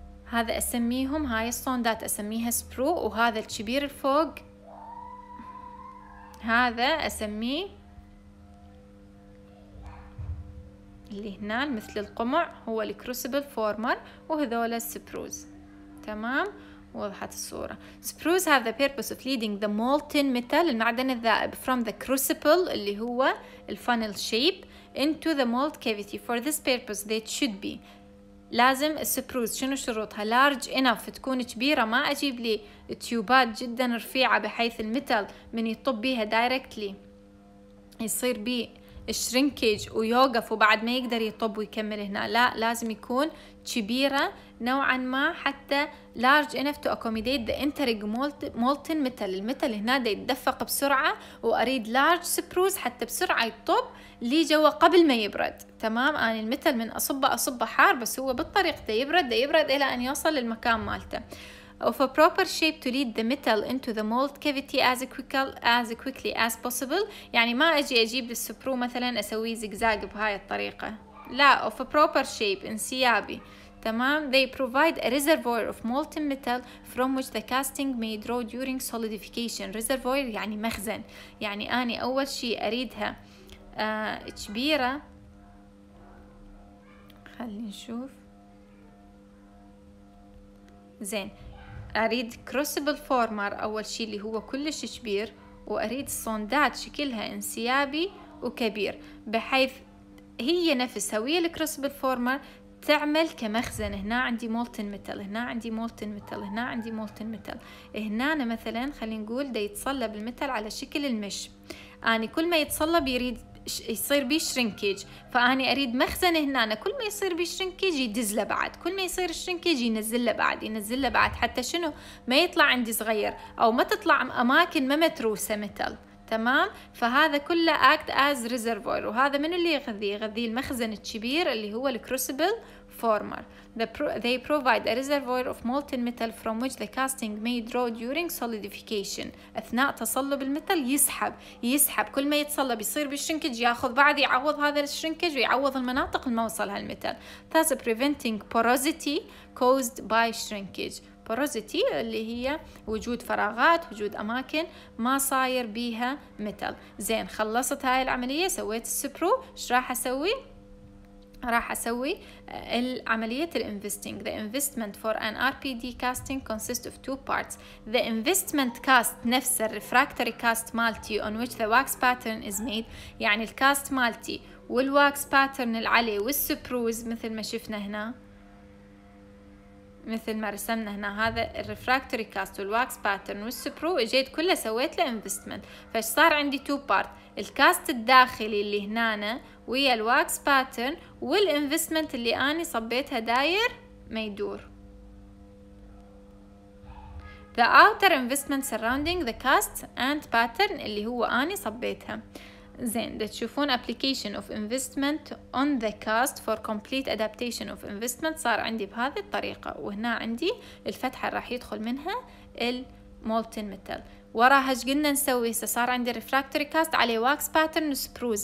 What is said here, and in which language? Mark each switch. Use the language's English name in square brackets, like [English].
[Arabic] هذا اسميهم، هاي الصوندات اسميها سبرو، وهذا الكبير الفوق هذا اسميه اللي هنا مثل القمع، هو الكروسيبل فورمر، وهذول السبروز، تمام. وضحت الصورة. [English] Sprues have the purpose of leading the molten metal، [Arabic] المعدن الذائب، [English] from the crucible [Arabic] اللي هو الفانل شيب، [English] into the mold cavity. For this purpose they should be، [Arabic] لازم السبروز شنو شروطها؟ [English] large enough، [Arabic] تكون كبيرة، ما أجيب لي تيوبات جدا رفيعة بحيث المتل من يطب بيها [English] directly [Arabic] يصير بي الشرينكيج ويوقف وبعد ما يقدر يطب ويكمل هنا، لا، لازم يكون كبيرة نوعا ما حتى [English] large enough to accommodate the entering molten metal، [Arabic] المتل هنا دا يتدفق بسرعة، وأريد [English] large sprues [Arabic] حتى بسرعة يطب لي جوا قبل ما يبرد، تمام. أنا المتل من أصبه حار، بس هو بالطريق دا يبرد إلى أن يوصل للمكان مالته. [English] of a proper shape to lead the metal into the mold cavity as quickly as possible. [Arabic] يعني ما أجي أجيب السبرو مثلا أسوي زجزاج بهاي الطريقة. لا, [English] of a proper shape, [Arabic] انسيابي. تمام. [English] They provide a reservoir of molten metal from which the casting may draw during solidification. [Arabic] Reservoir يعني مخزن. يعني أنا أول شيء أريدها كبيرة. خلي نشوف. زين. أريد crossable former أول شيء اللي هو كلش كبير, وأريد صندات شكلها انسيابي وكبير بحيث هي نفسها ويا الكروسبل فورمر تعمل كمخزن. هنا عندي مولتن ميتال, هنا عندي مولتن ميتال, هنا عندي مولتن ميتال. هنا أنا مثلا خلينا نقول دا يتصلب الميتال على شكل المش, يعني كل ما يتصلب يريد يصير بيه شرينكيج, فأني أريد مخزن هنا أنا كل ما يصير بيه شرينكيج يدزله بعد, كل ما يصير شرينكيج ينزله بعد, ينزله بعد حتى شنو ما يطلع عندي صغير أو ما تطلع أماكن ما متروسة ميتال. تمام. فهذا كله [English] act as reservoir, [Arabic] وهذا من اللي يغذي المخزن الكبير اللي هو الكروسبل فورمر. [English] They provide a reservoir of molten metal from which the casting may draw during solidification. [Arabic] أثناء تصلب المثل يسحب كل ما يتصلب يصير بالشنكج, يأخذ بعد يعوض هذا الشنكج ويعوض المناطق الموصلها المثل. [English] Thus preventing porosity caused by shrinkage. [Arabic] Porosity اللي هي وجود فراغات, وجود أماكن ما صاير بيها ميتال. زين, خلصت هاي العملية, سويت السبرو, ايش راح أسوي؟ راح أسوي العملية الانفستينج. [English] The investment for an RPD casting consists of two parts. The investment cast [Arabic] نفس الرفراكتوري cast مالتي [English] on which the wax pattern is made, [Arabic] يعني الكاست مالتي والواكس باترن العلي والسبروز مثل ما شفنا هنا, مثل ما رسمنا هنا, هذا الرفراكتوري كاست والواكس باترن والسبرو اجيت كله سويت له انفستمنت. فايش صار عندي؟ تو بارت, الكاست الداخلي اللي هنا ويا الواكس باترن والانفستمنت اللي اني صبيتها داير ما يدور. [English] The outer investment surrounding the cast and pattern [Arabic] اللي هو اني صبيتها. زين, ده تشوفون [English] application of investment on the cast for complete adaptation of investment [Arabic] صار عندي بهذه الطريقة, وهنا عندي الفتحة راح يدخل منها المولتن ميتال. وراها ايش قلنا نسوي؟ هسه صار عندي الريفراكتوري كاست عليه واكس باترن وسبروز.